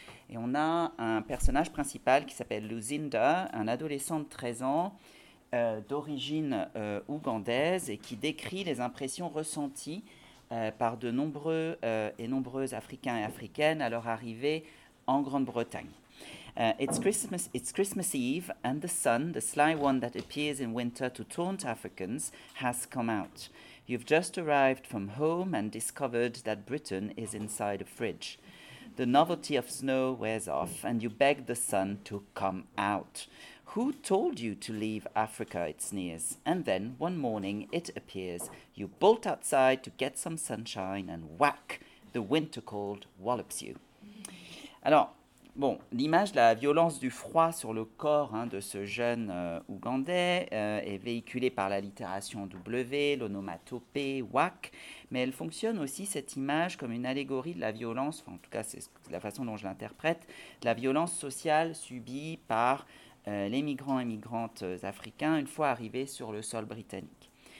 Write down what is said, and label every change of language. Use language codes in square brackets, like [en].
[fr] Et on a un personnage principal qui s'appelle Luzinda, un adolescent de 13 ans, d'origine ougandaise, et qui décrit les impressions ressenties par de nombreux et nombreuses Africains et Africaines à leur arrivée en Grande-Bretagne. [en] It's Christmas Eve, and the sun, the sly one that appears in winter to taunt Africans, has come out. You've just arrived from home and discovered that Britain is inside a fridge. The novelty of snow wears off, and you beg the sun to come out. Who told you to leave Africa? It sneers. And then, one morning, it appears. You bolt outside to get some sunshine, and whack! The winter cold wallops you. [fr] Alors, bon, l'image de la violence du froid sur le corps hein, de ce jeune Ougandais est véhiculée par l'allitération W, l'onomatopée, whack, mais elle fonctionne aussi, cette image, comme une allégorie de la violence, enfin, en tout cas c'est la façon dont je l'interprète, la violence sociale subie par les migrants et migrantes africains une fois arrivés sur le sol britannique.